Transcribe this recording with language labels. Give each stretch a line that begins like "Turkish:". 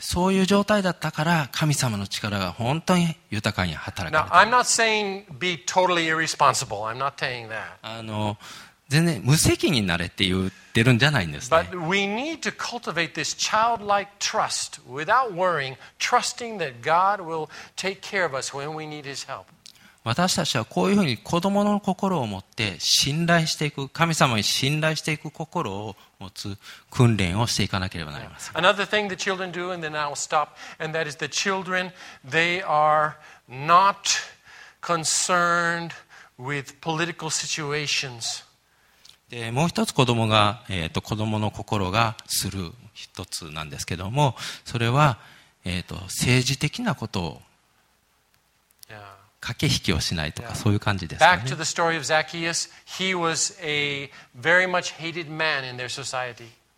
Japanese: そういう状態だったから神様の力が本当に豊かに働かれた。
English: Now, I'm not saying be totally irresponsible. I'm not saying that.
Japanese: あの、全然無責任になれって言ってるんじゃないんですね。
English: But we need to cultivate this childlike trust without worrying, trusting that God will take care of us when we need His help.
Japanese: 私たちはこういうふうに子どもの心を持って信頼していく、神様に信頼していく心を持つ訓練をしていかなければなりません。
English: Another thing the children do, and then I'll stop, and that is the children, they are not concerned with political situations.
Japanese: でもう一つ子供が、子供の心がする一つなんですけども、それは、政治的なことを駆け引きをしないとか、そういう感じですかね。
English: Back to the story of Zacchaeus. He was a very much hated man in their society.